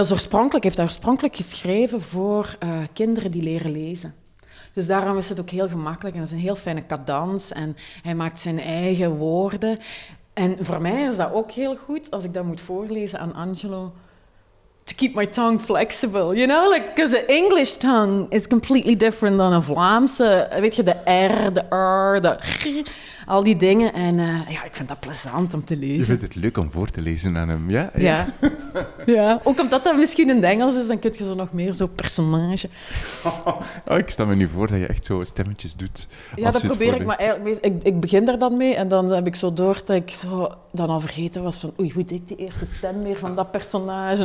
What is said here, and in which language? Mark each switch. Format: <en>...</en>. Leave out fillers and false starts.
<nl>Dat heeft hij oorspronkelijk geschreven voor kinderen die leren lezen. Dus daarom is het ook heel gemakkelijk en dat is een heel fijne cadans en hij maakt zijn eigen woorden. En voor mij is dat ook heel goed als ik dat moet voorlezen aan Angelo.</nl> <en>To keep my tongue flexible, you know? Like, because the English tongue is completely different than a Vlaamse.</en> <nl>Weet je, de R, de R, de R, al die dingen. En ja, ik vind dat plezant om te lezen. Je vindt het leuk om voor te lezen aan hem, ja? Ja. Ja, ook omdat dat misschien in het Engels is, dan kun je zo nog meer zo'n personage. Oh, ik stel me nu voor dat je echt zo stemmetjes doet. Ja, dat probeer ik, maar eigenlijk, ik begin daar dan mee en dan heb ik zo door dat ik zo dan al vergeten was van, oei, hoe deed ik die eerste stem meer van dat personage?</nl>